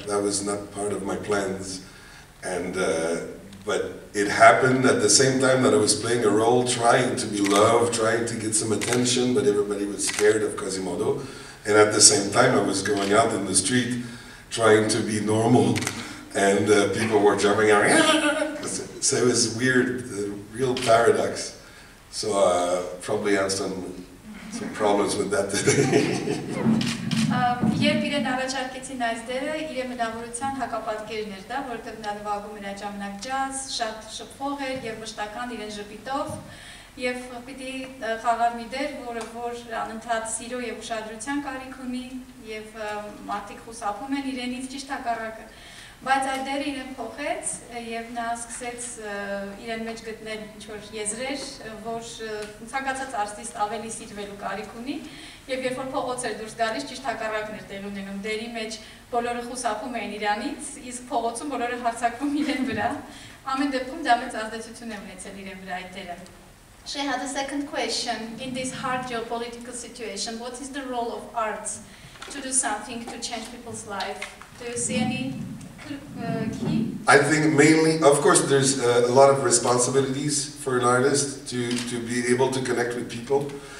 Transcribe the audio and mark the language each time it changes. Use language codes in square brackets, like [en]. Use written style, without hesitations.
[en] That was not part of my plans, and but it happened at the same time that I was playing a role trying to be loved, trying to get some attention, but everybody was scared of Quasimodo, and at the same time I was going out in the street trying to be normal. And people were jumping out. So it was weird, a real paradox. So I probably had some problems with that today. [hy] Երբ իրեն առաջարկեցին այս դերը, իրեն մտավորության հակապատկերն էր դա, որտեղ նա նվագում էր այդ ժամանակ ջազ, շատ շփող էր և մշտական իրեն ժպիտով. Եվ պիտի խաղար մի դեր, որը որ անընդհատ սիրո և ուշադրության կարիք ունի, և մարդիկ խուսափում են իրենից, ճիշտ հակառակը։ Բայց այդ դերը իրեն փոխեց և նա սկսեց իրեն մեջ գտնել ինչ-որ եզրեր, որ ցանկացած արտիստ ավելի սիրվելու կարիք ունի, և երբ որ փողոց էր դուրս գալիս, ճիշտ հակառակն էր տեղ ունենում, դերի մեջ բոլորը խուսափում էին իրանից, իսկ փողոցում բոլորը հարցակվում իրեն վրա։ Ամեն դեպքում դա մեծ ազդեցություն է ունեցել իրեն վրա այդ դերը։ [en] She had a second question. In this hard geopolitical situation, what is the role of arts to do something to change people's life? Do you see any key? I think mainly, of course, there's a lot of responsibilities for an artist to be able to connect with people.